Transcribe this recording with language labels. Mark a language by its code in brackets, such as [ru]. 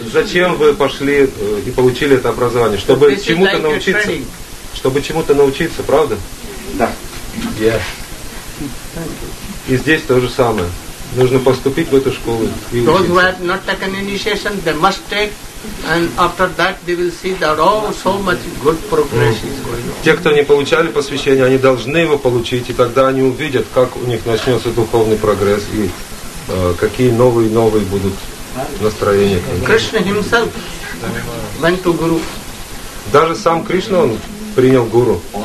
[ru] Зачем вы пошли и получили это образование? Чтобы чему-то научиться. Чтобы чему-то научиться, правда? Да. [en] Yes. [ru] И здесь то же самое. Нужно поступить в эту школу и учиться. [en] And after that they will see that all so much good progress is going on. [ru] Те, кто не получали посвящение, они должны его получить, и тогда они увидят, как у них начнется духовный прогресс и какие новые будут настроения. [en] Кришна himself went to guru. [ru] Даже сам Кришна он принял гуру.